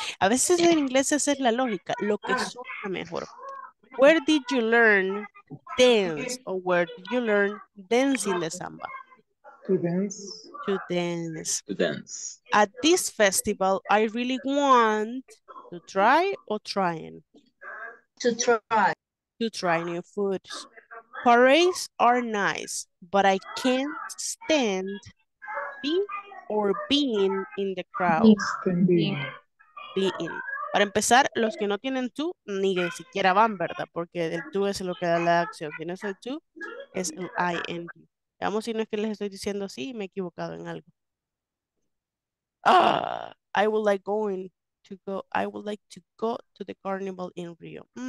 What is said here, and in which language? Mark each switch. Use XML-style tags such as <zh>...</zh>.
<es>A veces en inglés esa es la lógica, lo que suena mejor.</es> <en>Where did you learn dance or where did you learn dancing the samba? To dance. At this festival, I really want to try or trying? To try. To try new foods. Parades are nice, but I can't stand being in the crowd. Being.</en> <es>Para empezar, los que no tienen to, ni siquiera van, ¿verdad? Porque el to es lo que da la acción. Tienes el to, es el ing. Veamos si no es que les estoy diciendo así y me he equivocado en algo.</es> <en>I would like to go to the carnival in Rio.</en>